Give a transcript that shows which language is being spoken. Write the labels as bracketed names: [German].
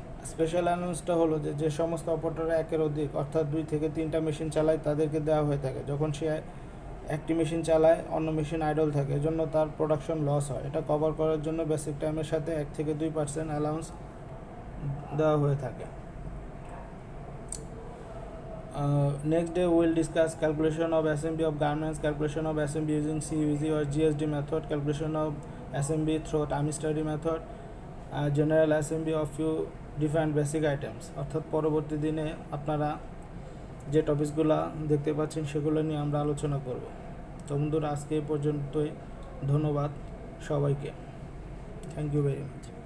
[Bangla] Special অ্যালাউন্সটা হলো যে সমস্ত অপারেটর একের অধিক অর্থাৎ 2-3 মেশিন চালায় তাদেরকে দেওয়া হয়ে থাকে। যখন সে একটি মেশিন চালায় অন্য মেশিন আইডল থাকে, এজন্য তার প্রোডাকশন লস হয়। এটা কভার করার জন্য বেসিক টাইমের সাথে 1-2% অ্যালাউন্স দেওয়া হয়ে থাকে। [English] Next day we will discuss calculation of SMV of garments, calculation of SMV using CUG or GSD method, calculation of SMV through time study method, general SMV of few different basic items. [Bangla] অর্থাৎ পরবর্তী দিনে আপনারা যে টপিকসগুলো দেখতে পাচ্ছেন সেগুলো নিয়ে আমরা আলোচনা করব। তো বন্ধুরা আজকে এই পর্যন্তই, ধন্যবাদ সবাইকে, [English] Thank you very much.